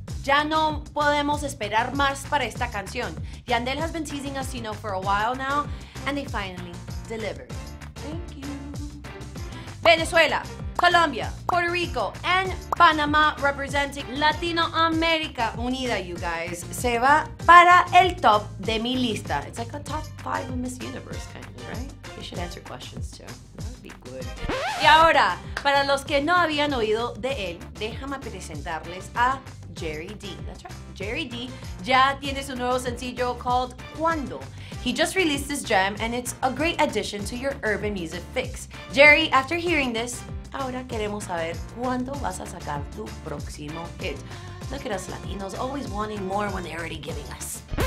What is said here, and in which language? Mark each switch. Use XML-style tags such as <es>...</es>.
<es>Ya no podemos esperar más para esta canción.</es> <en>Yandel has been teasing us, you know, for a while now, and they finally delivered. Thank you. Venezuela, Colombia, Puerto Rico, and Panama representing Latino America. Unida, you guys.</en> <es>Se va para el top de mi lista.</es> <en>It's like a top five of Miss Universe, kind of, right? You should answer questions, too. That'd be good.</en> <es>Y ahora, para los que no habían oído de él, déjame presentarles a Jerry D.</es> <en>That's right.</en> <es>Jerry D. Ya tiene su nuevo sencillo called Cuando.</es> <en>He just released this gem and it's a great addition to your urban music fix.</en> <es>Jerry,</es> <en>after hearing this,</en> <es>ahora queremos saber cuándo vas a sacar tu próximo hit.</es> <en>Look at us Latinos always wanting more when they're already giving us.</en>